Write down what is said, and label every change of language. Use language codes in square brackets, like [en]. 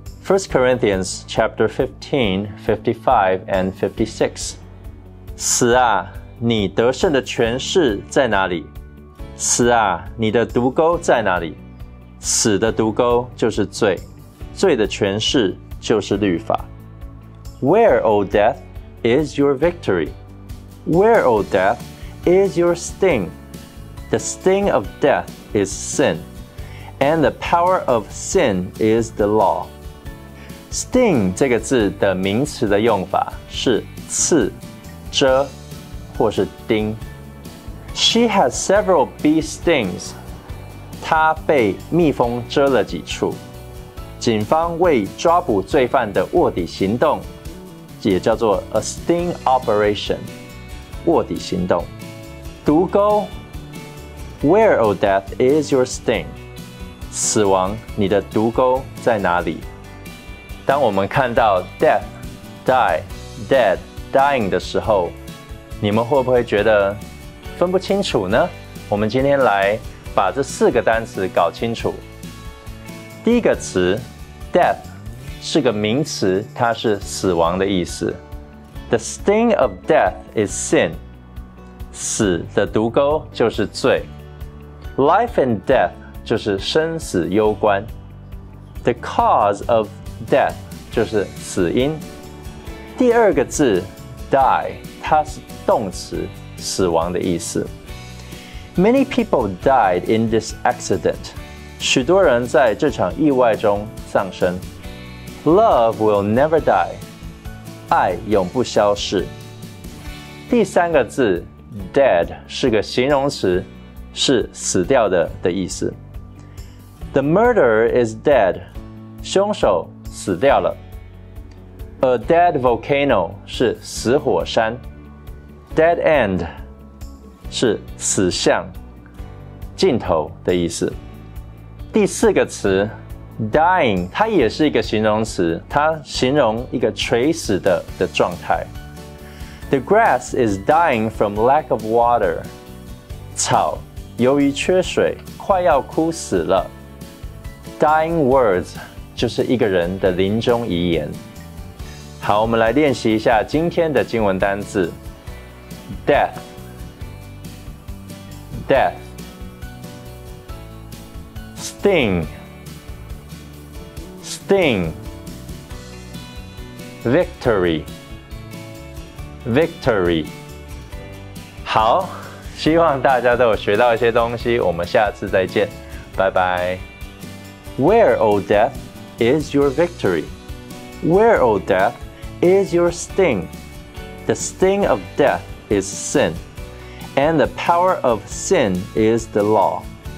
[en] First Corinthians chapter 15:55-56。 [zh] 死啊，你得胜的权势在哪里？死啊，你的毒钩在哪里？死的毒钩就是罪，罪的权势就是律法。 [en] Where, O death, is your victory? Where, O death, is your sting? The sting of death is sin, and the power of sin is the law. [zh] Sting 这个字的名词的用法是刺、蛰或是钉。 [en] She has several bee stings. [zh] 她被蜜蜂蛰了几处。警方为抓捕罪犯的卧底行动，也叫做 a sting operation， 卧底行动。 [en] 毒钩 ，Where, O death, is your sting？ [zh] 死亡，你的毒钩在哪里？当我们看到 death, die, dead, dying 的时候，你们会不会觉得分不清楚呢？我们今天来把这四个单词搞清楚。第一个词 ，death。是个名词，它是死亡的意思。 [en] The sting of death is sin. [zh] 死的毒钩就是罪。 [en] Life and death [zh] 就是生死攸关。 [en] The cause of death [zh] 就是死因。第二个字 die 它是动词，死亡的意思。 [en] Many people died in this accident. [zh] 许多人在这场意外中丧生。 [en] Love will never die. [zh] 爱永不消逝。第三个字 ,dead, 是个形容词，是死掉的意思。 [en] The murderer is dead. [zh] 凶手死掉了。 [en] A dead volcano [zh] 是死火山。 Dead end 是死巷，尽头的意思。第四个词Dying, 它也是一个形容词，它形容一个垂死的状态。 [en] The grass is dying from lack of water. [zh] 草由于缺水快要枯死了。 Dying words, 就是一个人的临终遗言。好，我们来练习一下今天的经文单字。 [en] Death, death, sting,Sting, victory, victory. [zh] 好，希望大家都有学到一些东西。我们下次再见，拜拜。 [en] Where, O death, is your victory? Where, O death, is your sting? The sting of death is sin, and the power of sin is the law.